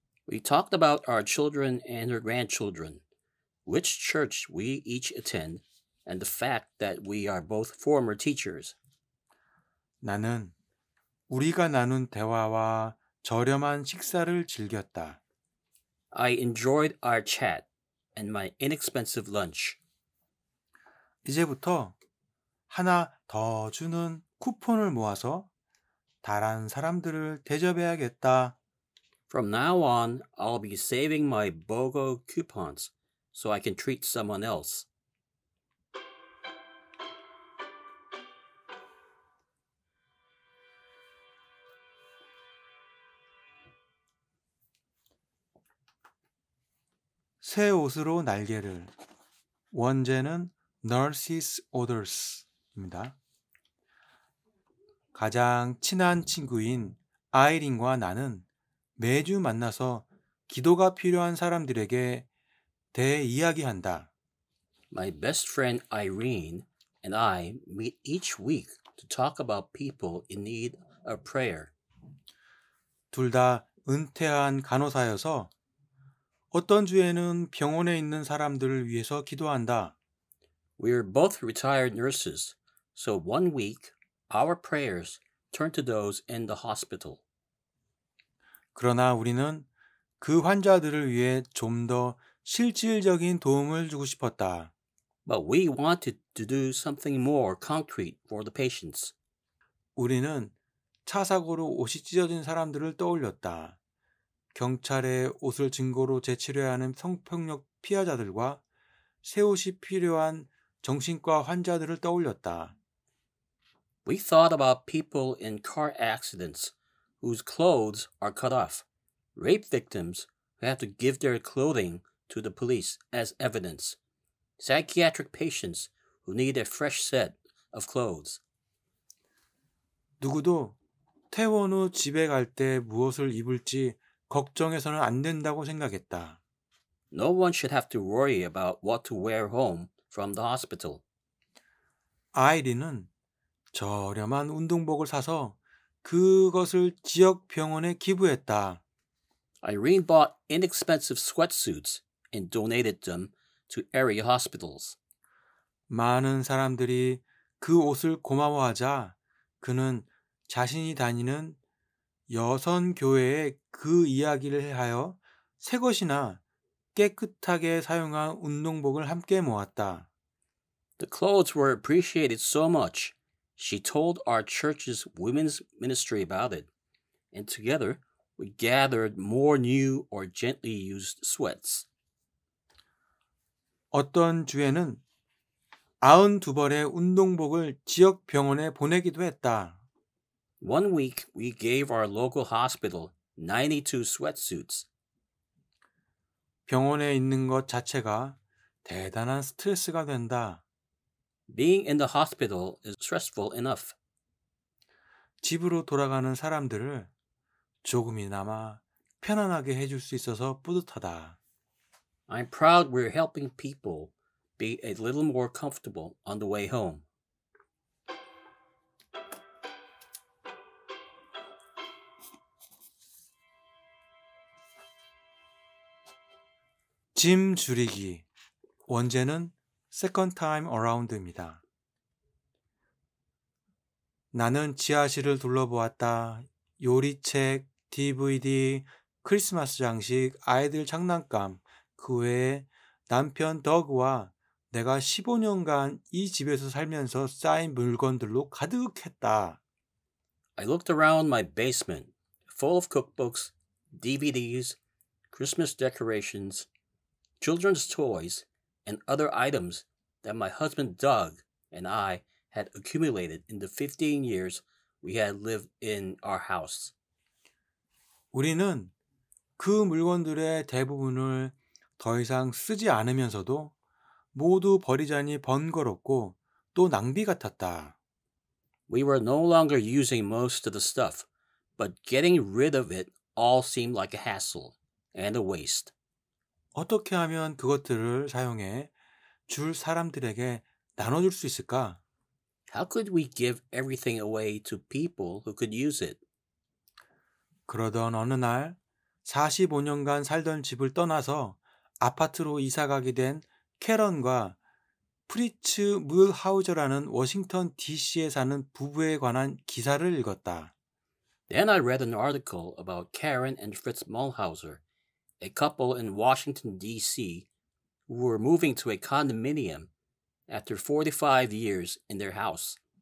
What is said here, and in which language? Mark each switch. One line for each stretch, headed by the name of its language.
English: We talked about our children and her grandchildren, which church we each attend, and the fact that we are both former teachers.
Korean: 나는 우리가 나눈 대화와 저렴한 식사를 즐겼다.
English: I enjoyed our chat and my inexpensive lunch.
Korean: 이제부터 하나 더 주는 쿠폰을 모아서 다른 사람들을 대접해야겠다.
English: From now on, I'll be saving my BOGO coupons so I can treat someone else.
Korean: 새 옷으로 날개를. 원제는 Nurse's Orders입니다. 가장 친한 친구인 아이린과 나는 매주 만나서 기도가 필요한 사람들에게 대이야기한다.
English: My best friend Irene and I meet each week to talk about people in need of prayer.
Korean: 둘 다 은퇴한 간호사여서 어떤 주에는 병원에 있는 사람들을 위해서 기도한다.
English: We are both retired nurses, so one week our prayers turn to those in the hospital.
Korean: 그러나 우리는 그 환자들을 위해 좀 더 실질적인 도움을 주고 싶었다.
English: But we wanted to do something more concrete for the patients.
Korean: 우리는 차 사고로 옷이 찢어진 사람들을 떠올렸다. 경찰에 옷을 증거로 제출해야 하는 성폭력 피해자들과 새 옷이 필요한 정신과 환자들을 떠올렸다.
English: We thought about people in car accidents whose clothes are cut off, rape victims who have to give their clothing to the police as evidence, psychiatric patients who need a fresh set of clothes.
Korean: 누구도 퇴원 후 집에 갈 때 무엇을 입을지 걱정해서는 안 된다고 생각했다.
English: No one should have to worry about what to wear home from the hospital.
Korean: 아이린은 저렴한 운동복을 사서 그것을 지역 병원에 기부했다.
English: Irene bought inexpensive sweatsuits and donated them to area hospitals.
Korean: 많은 사람들이 그 옷을 고마워하자 그는 자신이 다니는 여선 교회에 그 이야기를 하여 새 것이나 깨끗하게 사용한 운동복을 함께 모았다.
English: The clothes were appreciated so much. She told our church's women's ministry about it, and together we gathered more new or gently used sweats.
Korean: 어떤 주에는 92벌의 운동복을 지역 병원에 보내기도 했다.
English: One week we gave our local hospital 92 sweatsuits.
Korean: 병원에 있는 것 자체가 대단한 스트레스가 된다.
English: Being in the hospital is stressful enough.
Korean: 집으로 돌아가는 사람들을 조금이나마 편안하게 해줄 수 있어서 뿌듯하다.
English: I'm proud we're helping people be a little more comfortable on the way home.
Korean: 짐 줄이기. 원제는 Second Time Around입니다. 나는 지하실을 둘러보았다. 요리책, DVD, 크리스마스 장식, 아이들 장난감, 그 외에 남편 더그와 내가 15년간 이 집에서 살면서 쌓인 물건들로 가득했다.
English: I looked around my basement, full of cookbooks, DVDs, Christmas decorations, children's toys, and other items that my husband Doug and I had accumulated in the 15 years we had lived in our house.
Korean: 우리는 그 물건들의 대부분을 더 이상 쓰지 않으면서도 모두 버리자니 번거롭고 또 낭비 같았다.
English: We were no longer using most of the stuff, but getting rid of it all seemed like a hassle and a waste.
Korean: 어떻게 하면 그것들을 사용해 줄 사람들에게 나눠줄 수 있을까?
English: How could we give everything away to people who could use it?
Korean: 그러던 어느 날 45년간 살던 집을 떠나서 아파트로 이사가게 된 캐런과 프리츠 물하우저라는 워싱턴 DC에 사는 부부에 관한 기사를 읽었다.
English: Then I read an article about Karen and Fritz Mulhauser, a couple in Washington, D.C., who were moving to a condominium after 45 years in their house.